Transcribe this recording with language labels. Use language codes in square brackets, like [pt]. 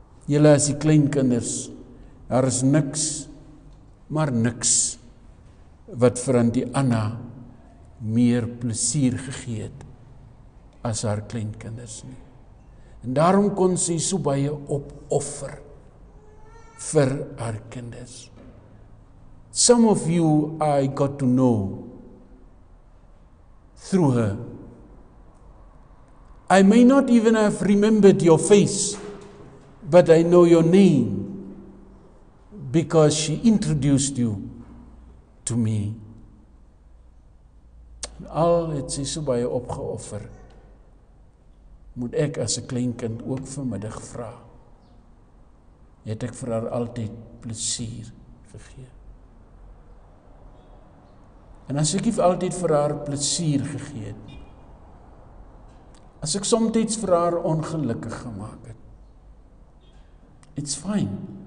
[af] Julle as die kleinkinders, daar is niks maar niks wat vir Auntie Anna meer plesier gegee het as haar kleinkinders nie. En daarom kon sy so baie opoffer vir haar kinders. [en] Some of you I got to know through her. I may not even have remembered your face, but I know your name because she introduced you to me. [af] En al het sy so baie opgeoffer, moet ek as 'n kleinkind ook vanmiddag vra, het ek vir haar altyd plesier gegee. En as ek altyd vir haar plesier gegee het, as ek somtyds vir haar ongelukkig gemaak het, [en] it's fine.